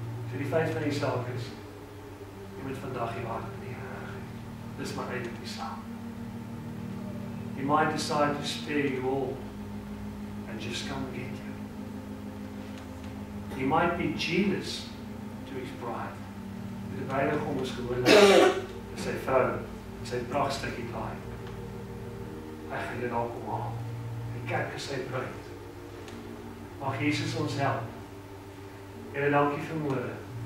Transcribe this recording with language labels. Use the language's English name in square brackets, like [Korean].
[Afrikaans] So die feit van die saak is, jy moet vandag jou hart in die Heer geef. Dis maar uit in die saak. [English] He might decide to spare you all and just come get you. He might be jealous to his bride. [Afrikaans] Die bruidegom is gewoonlik in sy vrou, in sy prachtstukkie daai. Hy gaan dit al kom aan. Die kerk is sy bruid. Mag Jesus ons help. Heere, dankie vir môre.